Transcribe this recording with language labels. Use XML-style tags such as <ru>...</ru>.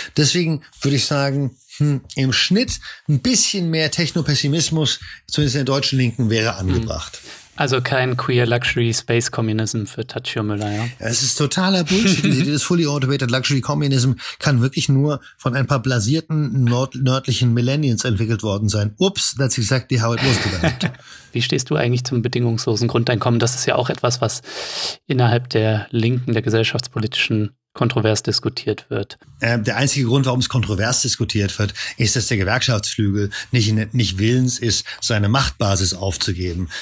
<de>Deswegen würde ich sagen, im Schnitt ein bisschen mehr Technopessimismus, zumindest in der deutschen Linken, wäre angebracht. Also kein Queer Luxury Space Communism für Tatjana Müller, ja? Es ist totaler Bullshit. Dieses Fully Automated Luxury Communism kann wirklich nur von ein paar blasierten nördlichen Millennials entwickelt worden sein.</de> <en>Ups, that's exactly how it was developed.</en> <de>Wie stehst du eigentlich zum bedingungslosen Grundeinkommen? Das ist ja auch etwas, was innerhalb der Linken, der gesellschaftspolitischen, kontrovers diskutiert wird. Der einzige Grund, warum es kontrovers diskutiert wird, ist, dass der Gewerkschaftsflügel nicht willens ist, seine Machtbasis aufzugeben.</de>